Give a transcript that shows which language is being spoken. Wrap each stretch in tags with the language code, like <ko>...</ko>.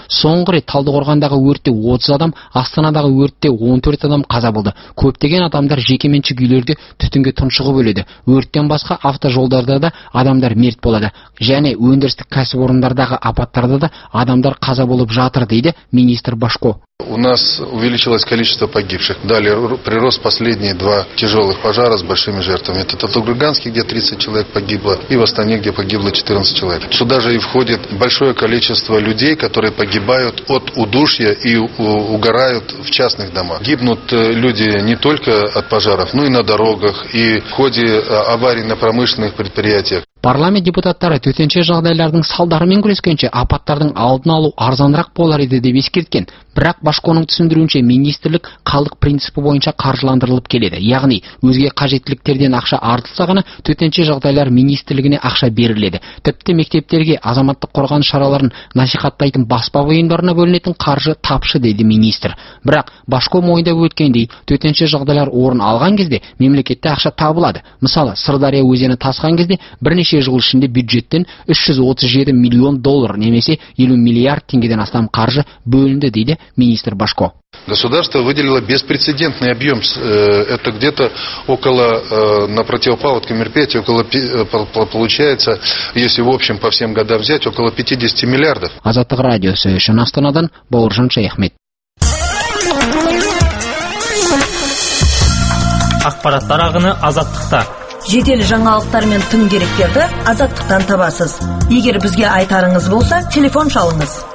<kk>Соңғы рет Талдықорғандағы өртте 30 адам, Астанадағы өртте 14 адам қаза болды. Көптеген адамдар жекеменшік үйлерде түтінге тұншығып өледі. Өрттен басқа автожолдарда да адамдар мерт болады. Және өндірістік кәсіпорындардағы апаттарда да адамдар қаза болып жатыр, дейді министр Башко.</kk> <ru>У нас увеличилось количество погибших. Далее прирост последние два тяжелых пожара с большими жертвами. Это Татуганский, где 30 человек погибло, и в Астане, где погибло 14 человек. Сюда же и входит большое количество людей, которые погибают от удушья и угорают в частных домах. Гибнут люди не только от пожаров, но и на дорогах, и в ходе аварий на промышленных предприятиях.</ru> <kk>Парламент депутаттары төтенше жағдайлардың салдарымен күрескенше апаттардың алдын алу арзанырақ болар еді деп ескерткен. Бірақ Башконың түсіндіруінше министрлік қалдық принципі бойынша қаржыландырылып келеді. Яғни, өзге қажеттіліктерден ақша артылса ғана төтенше жағдайлар министрлігіне ақша беріледі. Тіпті мектептерге азаматтық қорғаныс шараларын насихаттайтын баспа бұйымдарына бөлінетін қаржы тапшы, деді министр. Бірақ Башко мойындап өткендей, төтенше жағдайлар орын алған кезде мемлекетте ақша табылады. Мысалы, Сырдария өзені тасқан кезде бірнеше жыл ішінде бюджеттен 337 миллион доллар немесе 50 миллиард теңгеден астам қаржы бөлінді, дейді министр Башко.</kk> <ru>Государство выделило беспрецедентный объем, это где-то около, на противопаводке мероприятия, около, получается, если в общем по всем годам взять, около 50 миллиардов.</ru> <kk>Азаттық радиосы үшін Астанадан Бауыржан Шайхмет. Ақпараттар ағыны Азаттықта. Жедел жаңалықтар мен тың деректерді Азаттықтан табасыз. Егер бізге айтарыңыз болса, телефон шалыңыз.</kk>